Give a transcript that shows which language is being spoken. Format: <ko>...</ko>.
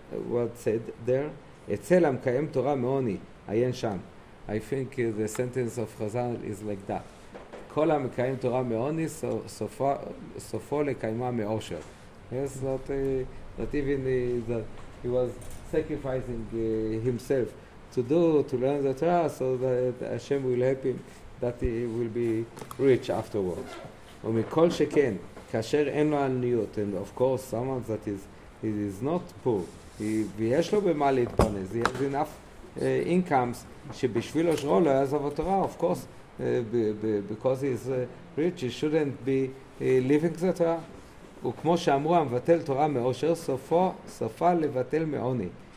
<en>What said there?</en> <he>אצל המקיים תורה מעוני, עיין שם.</he> <en>I think the sentence of Chazal is like that.</en> <he>כל המקיים תורה מעוני, סופו לקיימה מאושר.</he> <en>Yes, that even he was sacrificing himself to learn the Torah, so that Hashem will help him, that he will be rich afterwards.</en> <he>ומכל שכן, כאשר אין לו עניות,</he> <en>and of course someone that is, he is not poor,</en> <he>ויש לו במה להתפרנס,</he> <en>he has enough incomes,</en> <he>שבשביל עושרו לא יעזוב התורה,</he> <en>of course, because he is rich, he shouldn't be living the Torah.</en> <he>וכמו שאמרו, המבטל תורה מאושר, סופה לבטל מעוני.</he>